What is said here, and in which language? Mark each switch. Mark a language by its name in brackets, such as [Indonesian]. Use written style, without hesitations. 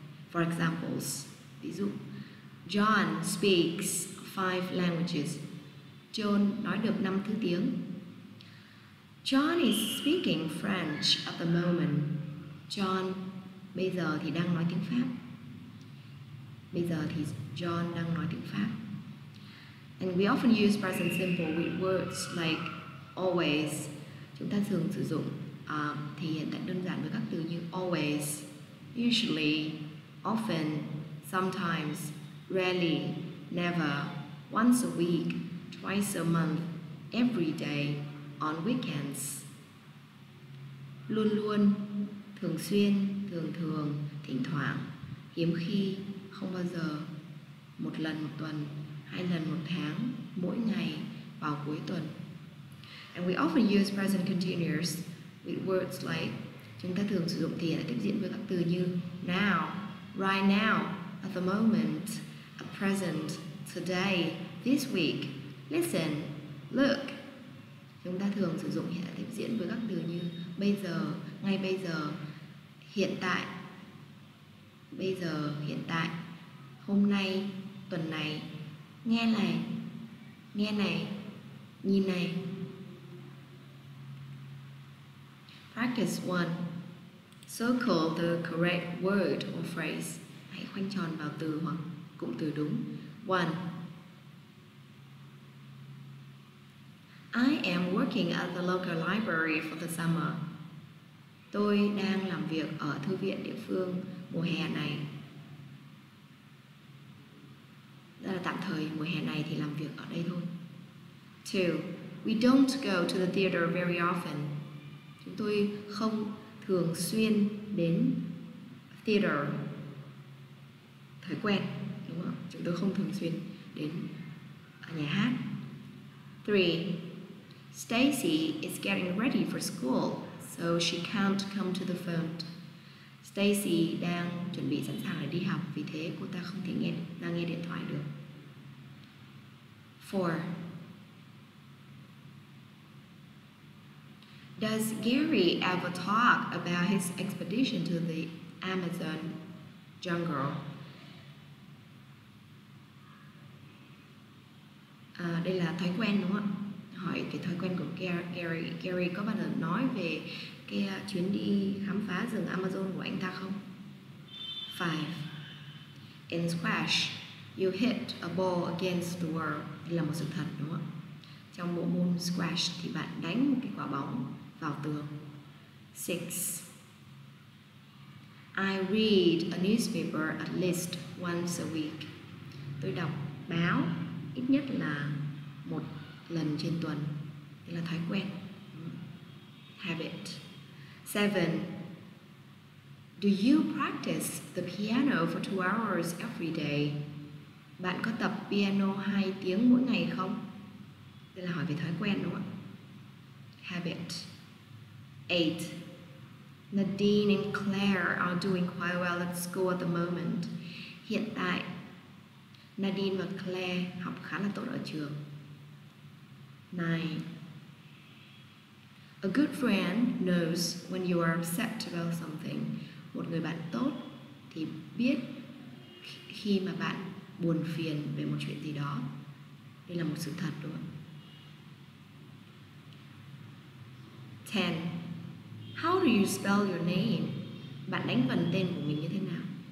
[English] For examples, [Vietnamese] ví dụ, [English] John speaks 5 languages. [Vietnamese] John nói được 5 thứ tiếng. [English] John is speaking French at the moment. [Vietnamese] John bây giờ thì đang nói tiếng Pháp. Bây giờ thì John đang nói tiếng Pháp. [English] And we often use present simple with words like always. [Vietnamese] Chúng ta thường sử dụng thể hiện tại đơn giản với các từ như always, [English] usually, often, sometimes, rarely, never, once a week, twice a month, every day, on weekends. [Vietnamese] Luôn luôn, thường xuyên, thường thường, thỉnh thoảng, hiếm khi, không bao giờ, một lần một tuần, hai lần một tháng, mỗi ngày, vào cuối tuần. [English] And we often use present continuous with words like, [Vietnamese] chúng ta thường sử dụng thể hiện tại tiếp diễn với các từ như [English] now, right now, at the moment, at present, today, this week, listen, look. [Vietnamese] Chúng ta thường sử dụng thể hiện tại tiếp diễn với các từ như bây giờ, ngay bây giờ, hiện tại, hôm nay, tuần này, nghe này, nhìn này. [English] Practice 1. Circle the correct word or phrase. [Vietnamese] Hãy khoanh tròn vào từ hoặc cụm từ đúng. [English] 1. I am working at the local library for the summer. [Vietnamese] Tôi đang làm việc ở thư viện địa phương mùa hè này. Đó là tạm thời, mùa hè này thì làm việc ở đây thôi. [English] 2. We don't go to the theater very often. [Vietnamese] Chúng tôi không thường xuyên đến theater. Thói quen, đúng không? Chúng tôi không thường xuyên đến nhà hát. [English] 3. Stacy is getting ready for school, so she can't come to the phone. [Vietnamese] Stacy đang chuẩn bị sẵn sàng để đi học, vì thế cô ta không thể nghe điện thoại được. [English] 4. Does Gary ever talk about his expedition to the Amazon? jungle. [Vietnamese] À, đây là thói quen đúng không ạ? Hỏi cái thói quen của Gary. Gary có bao giờ nói về cái chuyến đi khám phá rừng Amazon của anh ta không? [English] 5. In squash, you hit a ball against the world. [Vietnamese] Đây là một sự thật đúng không ạ? Trong bộ môn squash thì bạn đánh một cái quả bóng vào tường. 6. [English] I read a newspaper at least once a week. [Vietnamese] Tôi đọc báo ít nhất là một lần trên tuần. Đây là thói quen. Habit. 7. [English] Do you practice the piano for 2 hours every day? [Vietnamese] Bạn có tập piano 2 tiếng mỗi ngày không? Đây là hỏi về thói quen đúng không? [English] Habit. 8. Nadine and Claire are doing quite well at school at the moment. [Vietnamese] Hiện tại, Nadine và Claire học khá là tốt ở trường. [English] 9. A good friend knows when you are upset about something. [Vietnamese] Một người bạn tốt thì biết khi mà bạn buồn phiền về một chuyện gì đó. Đây là một sự thật đúng không? 10. [English] How do you spell your name? [Vietnamese] Bạn đánh vần tên của mình như thế nào?